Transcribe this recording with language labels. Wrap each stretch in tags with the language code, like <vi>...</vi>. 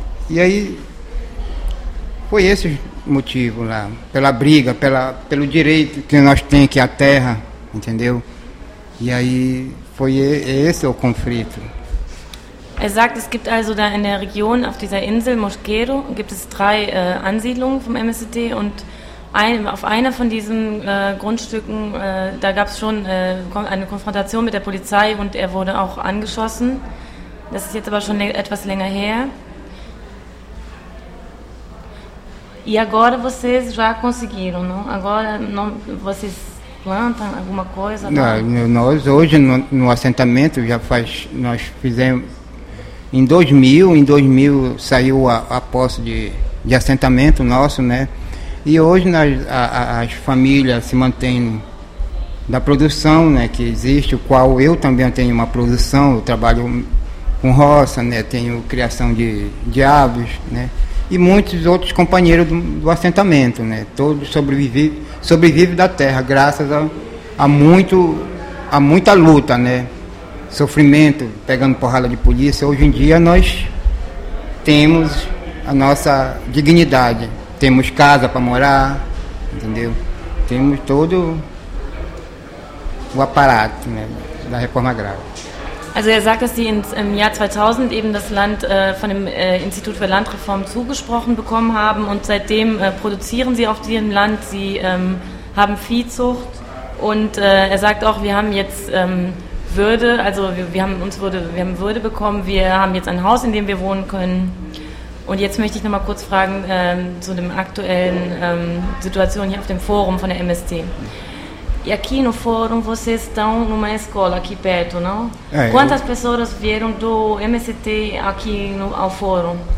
<pt>E aí foi esse motivo lá, pela briga, pelo direito que nós temos aqui à terra, entendeu? E aí foi esse o conflito.</pt> <de>Er sagt, es gibt also da in der Region, auf dieser Insel Mosqueiro, gibt es drei Ansiedlungen vom MST und auf einer von diesen Grundstücken, da gab es schon eine Konfrontation mit der Polizei und er wurde auch angeschossen. Das ist jetzt aber schon etwas länger her.</de> <pt>E agora vocês já conseguiram, não? Agora não, vocês plantam alguma coisa? Não, nós hoje no assentamento já faz, nós fizemos em 2000, em 2000 saiu a posse de assentamento nosso, né? E hoje as famílias se mantêm da produção, né, que existe, o qual eu também tenho uma produção, eu trabalho com roça, né, tenho criação de aves, né? E muitos outros companheiros do assentamento, né? Todos sobrevivem da terra, graças a muita luta, né? Sofrimento, pegando porrada de polícia. Hoje em dia nós temos a nossa dignidade. Temos casa para morar, entendeu? Temos todo o aparato, né, da reforma agrária.</pt> <de>Also er sagt, dass sie im Jahr 2000 eben das Land von dem Institut für Landreform zugesprochen bekommen haben und seitdem produzieren sie auf diesem Land, sie haben Viehzucht und er sagt auch, wir haben jetzt Würde, also wir haben Würde bekommen, wir haben jetzt ein Haus, in dem wir wohnen können. Und jetzt möchte ich nochmal kurz fragen zu dem aktuellen Situation hier auf dem Forum von der MST.</de> <pt>E aqui no fórum vocês estão numa escola aqui perto, não? Quantas pessoas vieram do MST aqui ao fórum?</pt>